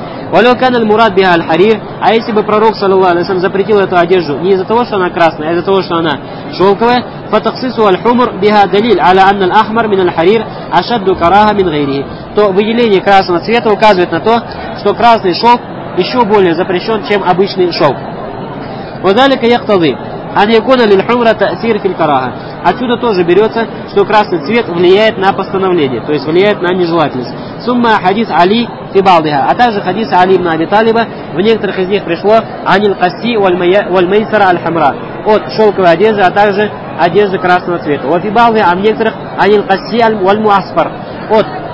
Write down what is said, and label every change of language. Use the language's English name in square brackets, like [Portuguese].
[Arabic] Валю канал мурад биха аль-харир. [Russian] А если бы пророк, саллаллаху алейхи ва саллям, запретил эту одежду не из-за того, что она красная, а из-за того, что она шелковая, [Arabic] فتخصيص الحمر بها دليل على أن الأحمر من الحرير أشد كراهة من غيره. [Russian] То выделение красного цвета указывает на то, что красный шелк еще более запрещен, чем обычный шелк. [Arabic] وذلك يقتضي أن يكون للحمر تأثير في الكراهة. [Russian] Отсюда тоже берется, что красный цвет влияет на постановление, то есть влияет на нежелательность. [Arabic] ثم حديث علي في بعضها. [Russian] А также хадис Али ибн Аби Талиба, в некоторых из них пришло [Arabic] عن القسي والميسر الحمراء. [Russian] От шелковой одежды, а также одежды красного цвета. Вот и балы, а в некоторых [Arabic] анил касси аль муасфар. [Russian] От